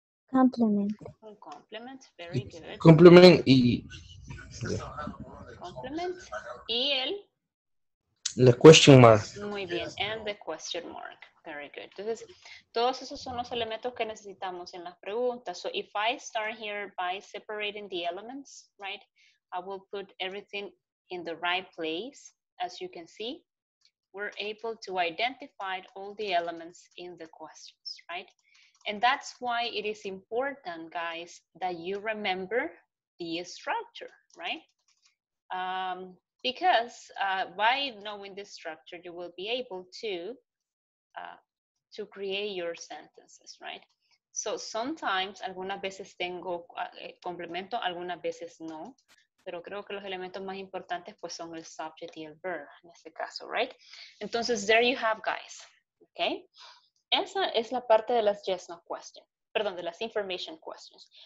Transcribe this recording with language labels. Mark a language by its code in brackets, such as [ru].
[en] complement. Un complement, very good. Complement y... complement y el... the question mark. [es] Muy bien, [en] and the question mark. Very good. [es] Entonces, todos esos son los elementos que necesitamos en las preguntas. [en] So, if I start here by separating the elements, right, I will put everything in the right place. As you can see, we're able to identify all the elements in the questions, right? And that's why it is important, guys, that you remember the structure, right? Because by knowing this structure, you will be able to create your sentences, right? So sometimes, [es] algunas veces tengo complemento, algunas veces no. Pero creo que los elementos más importantes pues son el subject y el verb, en este caso, right? Entonces, [en] there you have, guys, okay? [es] Esa es la parte de las yes-no questions, perdón, de las information questions.